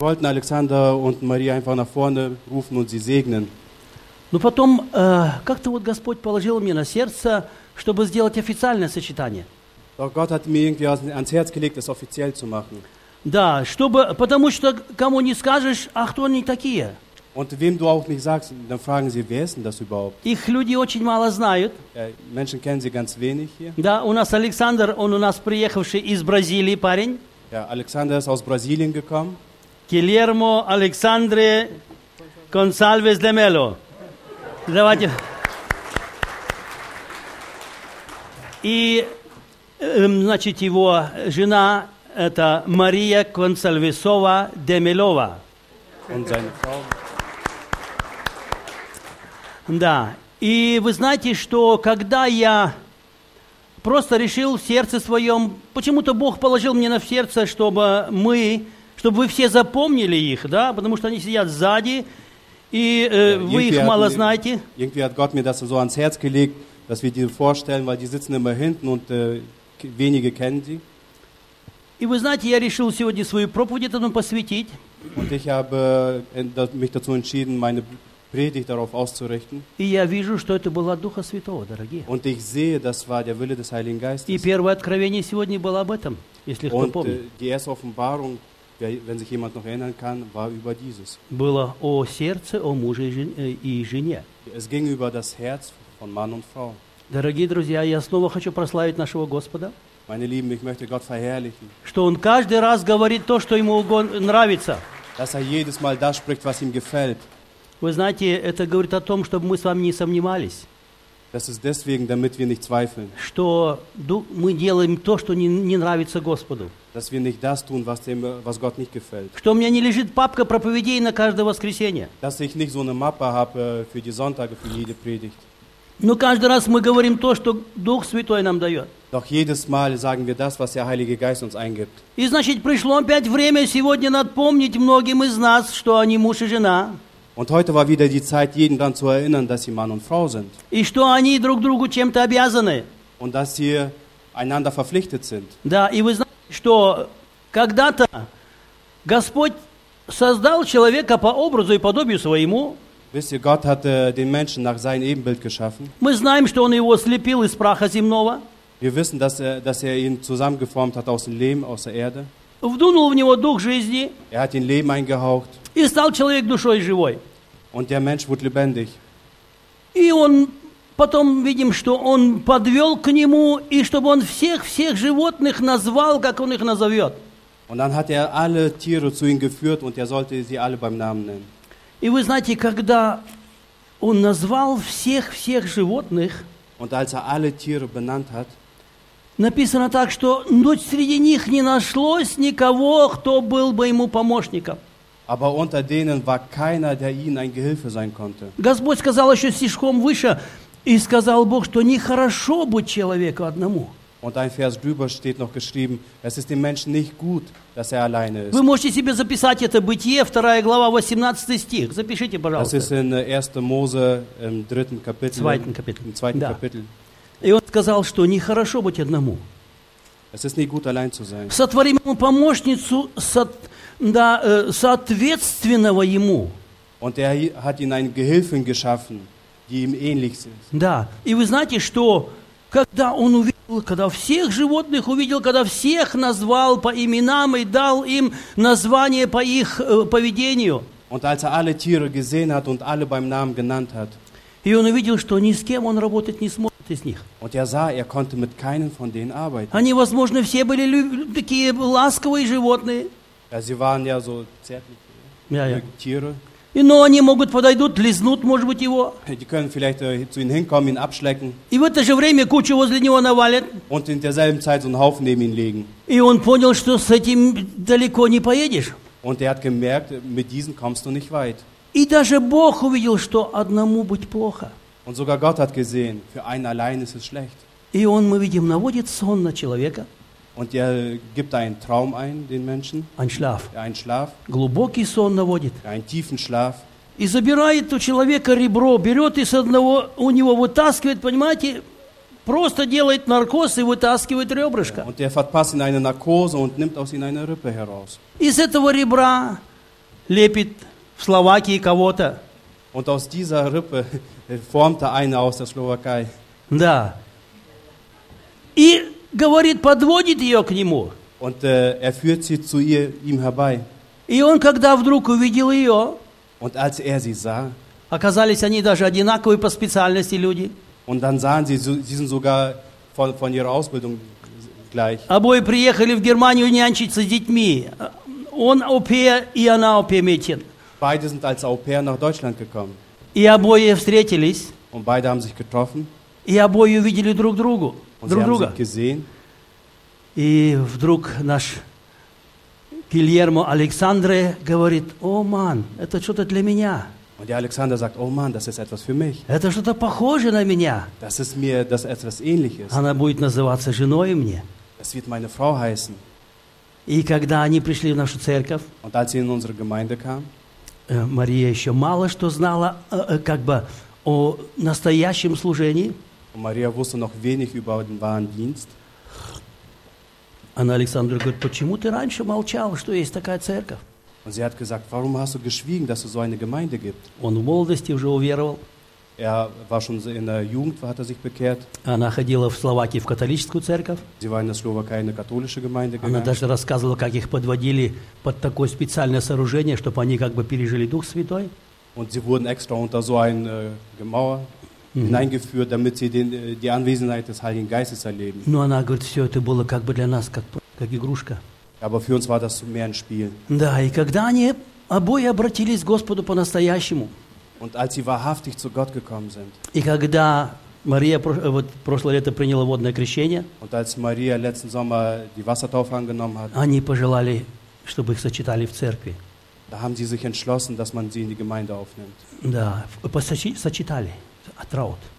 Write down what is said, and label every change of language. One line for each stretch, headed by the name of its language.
German: Wollten Александра und Мария einfach nach vorne rufen und sie segnen.
Russian: Но потом как-то вот Господь положил мне на сердце, чтобы сделать официальное сочетание.
German: Doch Gott hat mir irgendwie ans Herz gelegt, es offiziell zu machen.
Russian: Да, чтобы, потому что кому не скажешь, а кто они такие?
German: Und wem du auch nicht sagst, dann fragen sie, wer ist denn das überhaupt?
Russian: Их люди очень мало знают.
German: Menschen kennen sie ganz wenig hier.
Russian: Да, у нас Александр, он у нас приехавший из Бразилии парень.
German: Ja, Alexander ist aus Brasilien gekommen.
Russian: Guillermo Alexandre Gonçalves de Melo. Давайте. И, значит, его жена, это Мария Консальвесова де Мелова. Да, и вы знаете, что когда я просто решил в сердце своем, почему-то Бог положил мне на сердце, чтобы вы все запомнили их, да, потому что они сидят сзади, и вы их мало знаете.
German: Irgendwie hat Gott mir das so ans Herz gelegt, dass wir die vorstellen, weil die sitzen immer hinten und wenige kennen sie.
Russian: И вы знаете, я решил сегодня свою проповедь этому посвятить.
German: Und ich habe mich dazu entschieden, meine Predigt darauf auszurichten.
Russian: И я вижу, что это была Духа Святого, дорогие.
German: Und ich sehe, das war der Wille des Heiligen Geistes.
Russian: И первое откровение сегодня было об этом, если кто
German: und,
Russian: помнит.
German: Die erste Offenbarung, wenn sich jemand noch erinnern kann, war über dieses.
Russian: Было о сердце, о муже и жене.
German: Es ging über das Herz von Mann und Frau.
Russian: Дорогие друзья, я снова хочу прославить нашего Господа.
German: Meine Lieben, ich möchte Gott verherrlichen.
Russian: Что он каждый раз говорит то, что ему нравится.
German: Dass er jedes Mal das spricht, was ihm gefällt.
Russian: Вы знаете, это говорит о том, чтобы мы с вами не сомневались.
German: Das ist deswegen, damit wir nicht zweifeln.
Russian: Что мы делаем то, что не нравится Господу.
German: Dass wir nicht das tun, was Gott nicht gefällt.
Russian: Что у меня не лежит папка проповедей на каждое воскресенье.
German: Dass ich nicht so eine Mappe habe für die Sonntage, für jede Predigt.
Russian: Но каждый раз мы говорим то, что Дух Святой нам дает.
German: Doch jedes Mal sagen wir das, was der Heilige Geist uns eingibt.
Russian: И значит, пришло опять время сегодня напомнить многим из нас, что они муж и жена.
German: Und heute war wieder die Zeit, jeden daran zu erinnern, dass sie Mann und Frau sind.
Russian: И что они друг другу чем-то обязаны.
German: Und dass sie einander verpflichtet sind.
Russian: Да, и вы знаете, что когда-то Господь создал человека по образу и подобию своему.
German: Wisst ihr, Gott hat den Menschen nach seinem Ebenbild geschaffen.
Russian: Мы знаем, что он его слепил из праха земного.
German: Wir wissen, dass er ihn zusammengeformt hat aus dem Lehm, aus der Erde.
Russian: Вдунул в него дух жизни.
German: Er hat ihn Leben eingehaucht.
Russian: И стал человек душой живой.
German: Und der Mensch wurde lebendig.
Russian: И он потом видим, что он подвел к нему, и чтобы он всех животных назвал, как он их назовет.
German: Und dann hat er alle Tiere zu ihm geführt und er sollte sie alle beim Namen nennen.
Russian: И вы знаете, когда он назвал всех животных,
German: und als er alle Tiere benannt hat,
Russian: написано так, что среди них не нашлось никого, кто был бы ему помощником.
German: Aber unter denen war keiner, der ihnen ein Gehilfe sein konnte.
Russian: Господь сказал еще стишком выше, и сказал Бог, что нехорошо быть человеку одному.
German: Und ein Vers drüber steht noch geschrieben, es ist dem Menschen nicht gut, dass er alleine ist.
Russian: Вы можете себе записать это, Бытие, 2 глава, 18 стих. Запишите, пожалуйста.
German: Das ist in 1. Mose, im 3. Kapitel. Im 2. Kapitel.
Russian: И он сказал, что нехорошо быть одному.
German: Es ist nicht gut, allein zu sein.
Russian: Сотворим ему помощницу, соответственного ему.
German: Und er hat ihn einen Gehilfen geschaffen, die ihm ähnlich sind.
Russian: Да, и вы знаете, что когда он увидел, когда всех животных увидел, когда всех назвал по именам и дал им название по их поведению.
German: Und als er alle Tiere gesehen hat und alle beim Namen genannt hat.
Russian: И он увидел, что ни с кем он работать не сможет.
German: Und er sah, er konnte mit keinem von denen arbeiten.
Russian: Они, возможно, все были такие ласковые животные.
German: Ja, sie waren ja so zärtliche Tiere.
Russian: И, но они могут подойдут, лизнут, может быть, его.
German: Die können vielleicht zu ihm hinkommen, ihn abschlecken.
Russian: И в это же время кучу возле него навалят.
German: Und in derselben Zeit so einen Haufen neben ihn legen.
Russian: И он понял, что с этим далеко не поедешь.
German: Und er hat gemerkt, mit diesen kommst du nicht weit.
Russian: И даже Бог увидел, что одному быть плохо.
German: Und sogar Gott hat gesehen, für einen allein ist es schlecht.
Russian: И он, мы видим, наводит сон на человека.
German: Und er gibt einen Traum ein, den Menschen. Ein Schlaf. Ein Schlaf.
Russian: Глубокий сон наводит.
German: Einen tiefen Schlaf.
Russian: И забирает у человека ребро, берет из одного, у него вытаскивает, понимаете, просто делает наркоз и вытаскивает ребрышко.
German: Und er verpasst ihn eine Narkose und nimmt aus ihm eine Rippe heraus.
Russian: Из этого ребра лепит в Словакии кого-то.
German: Und aus dieser Rippe formte eine aus der Slowakei.
Russian: Да. И говорит, подводит ее к нему.
German: Und führt sie zu ihm herbei.
Russian: И он, когда вдруг увидел ее,
German: Und als sie sah,
Russian: оказались они даже одинаковые по специальности люди.
German: Und dann sahen sie, sie sind sogar von ihrer Ausbildung gleich.
Russian: Обои приехали в Германию нянчиться с детьми. Он au-pair, и она au-pair-Mädchen.
German: Beide sind als au-pair nach Deutschland gekommen.
Russian: И обои встретились.
German: Und beide haben sich getroffen.
Russian: И обои увидели друг другу.
German: Und
Russian: друг
German: sie
Russian: друга.
German: Haben sich gesehen.
Russian: И вдруг наш Гильермо Александре говорит, о, ман, это что-то для меня.
German: Und der Alexander sagt, oh Mann, das ist etwas für mich.
Russian: Это что-то похоже на меня.
German: Das ist mir, das etwas ähnliches.
Russian: Она будет называться женой мне.
German: Das wird meine Frau heißen.
Russian: И когда они пришли в нашу церковь,
German: Und als sie in unsere Gemeinde kam,
Russian: Мария еще мало что знала как бы о настоящем служении.
German: Und Maria wusste noch wenig über den wahren Dienst.
Russian: Она Александру говорит, почему ты раньше молчал, что есть такая церковь?
German: Und sie hat gesagt, warum hast du geschwiegen, dass es so eine Gemeinde gibt?
Russian: Он в молодости уже уверовал.
German: Er war schon in der Jugend, hat er sich bekehrt.
Russian: Она ходила в Словакии в католическую церковь.
German: Sie war in der Slowakei in der katholische Gemeinde gegangen.
Russian: Она даже рассказывала, как их подводили под такое специальное сооружение, чтобы они как бы пережили Дух Святой.
German: Und sie wurden extra unter so ein Gemauer hineingeführt, damit sie die Anwesenheit des Heiligen Geistes erleben.
Russian: Но она говорит, все это было как бы для нас, как игрушка.
German: Aber für uns war das mehr ein Spiel.
Russian: Да, и когда они обои обратились к Господу по-настоящему.
German: Und als sie wahrhaftig zu Gott gekommen sind.
Russian: И когда Мария вот прошлое лето приняла водное крещение.
German: Und als Maria letzten Sommer die Wassertaufe angenommen hat.
Russian: Они пожелали, чтобы их сочетали в церкви.
German: Da haben sie sich entschlossen, dass man sie in die Gemeinde aufnimmt.
Russian: Да, сочетали, traut.